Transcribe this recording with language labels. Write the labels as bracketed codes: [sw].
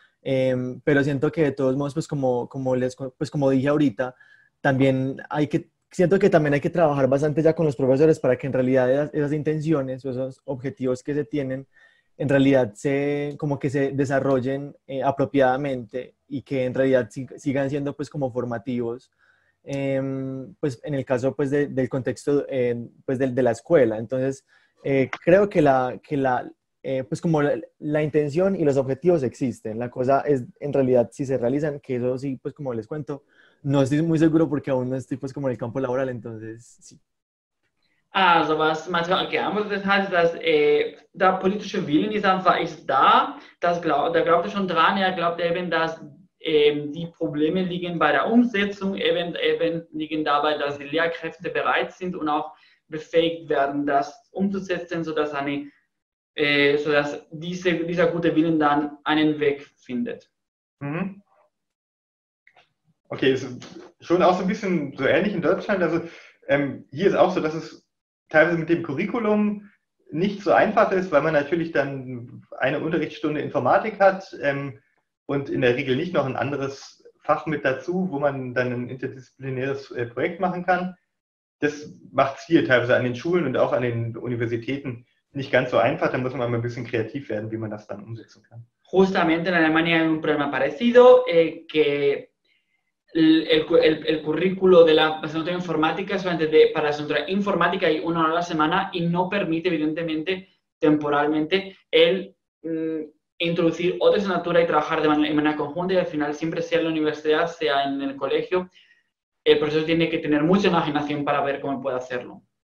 [es] Pero siento que de todos modos, pues como dije ahorita, también hay que trabajar bastante ya con los profesores para que en realidad esas intenciones, esos objetivos que se tienen, en realidad se desarrollen apropiadamente y que en realidad sigan siendo pues como formativos, pues en el caso pues del contexto pues de la escuela. Entonces, creo que pues como la intención y los objetivos existen, la cosa es en realidad si se realizan, que eso sí, pues como les cuento, no estoy muy seguro porque aún no estoy pues como en el campo laboral, entonces sí. [de] Also was man sagen kann, okay, das heißt, dass der politische Willen ist einfach ist da, da glaubt er schon dran, er glaubt eben, dass die Probleme liegen bei der Umsetzung, eben liegen dabei, dass die Lehrkräfte bereit sind und auch befähigt werden, das umzusetzen, sodass dieser gute Willen dann einen Weg findet. Mhm. Okay, ist schon auch so ein bisschen so ähnlich in Deutschland. Also hier ist auch so, dass es teilweise mit dem Curriculum nicht so einfach ist, weil man natürlich dann eine Unterrichtsstunde Informatik hat und in der Regel nicht noch ein anderes Fach mit dazu, wo man dann ein interdisziplinäres Projekt machen kann. Das macht es hier teilweise an den Schulen und auch an den Universitäten nicht ganz so einfach, da muss man mal ein bisschen kreativ werden, wie man das dann umsetzen kann. [es] Justamente en Alemania hay un problema parecido, que el currículo de la asignatura informática solamente para la asignatura informática hay una hora a la semana y no permite evidentemente temporalmente el introducir otra asignatura y trabajar de manera conjunta y al final siempre sea en la universidad, sea en el colegio, el profesor tiene que tener mucha imaginación para ver cómo puede hacerlo.